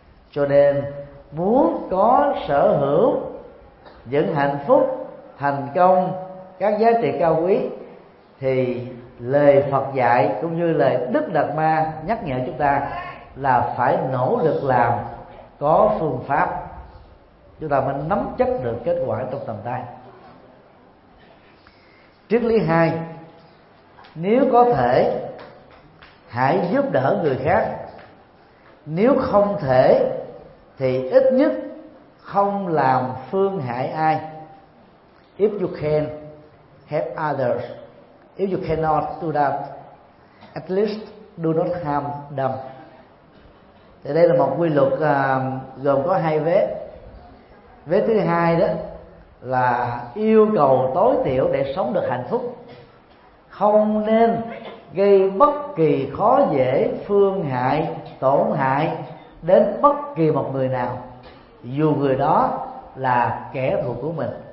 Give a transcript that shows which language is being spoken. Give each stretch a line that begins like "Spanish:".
Vietnamese: Cho nên muốn có sở hữu những hạnh phúc, thành công, các giá trị cao quý thì lời Phật dạy cũng như lời Đức Đạt Ma nhắc nhở chúng ta là phải nỗ lực làm, có phương pháp, chúng ta mới nắm chắc được kết quả trong tầm tay. Triết lý 2: nếu có thể hãy giúp đỡ người khác, nếu không thể thì ít nhất không làm phương hại ai.
English: If you can help others, if you cannot do that, at least do not harm them.
Vietnamese: Thì đây là một quy luật gồm có 2 vế. Vế thứ hai đó là yêu cầu tối thiểu để sống được hạnh phúc: không nên gây bất kỳ khó dễ, phương hại, tổn hại đến bất kỳ một người nào, dù người đó là kẻ thù của mình.